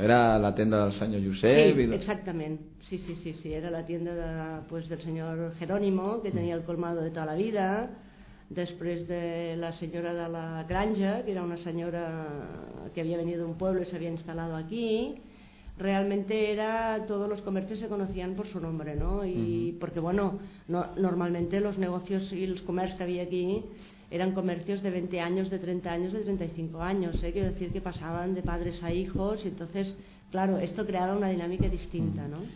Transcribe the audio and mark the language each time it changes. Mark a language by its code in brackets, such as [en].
[es] ¿Era la tienda del señor Josep? Sí, exactamente. Sí. Era la tienda del señor Jerónimo, que tenía el colmado de toda la vida. [ca] Després de la senyora de la granja, que era una senyora que havia [es] venido d'un pueblo [ca] i s'havia instal·lado aquí. [es] Realmente era, todos los comercios se conocían por su nombre, ¿no? Y porque, bueno, no, normalmente los negocios y los comercios que había aquí eran comercios de 20 años, de 30 años, de 35 años, ¿eh? Quiero decir que pasaban de padres a hijos y entonces, claro, esto creaba una dinámica distinta, ¿no?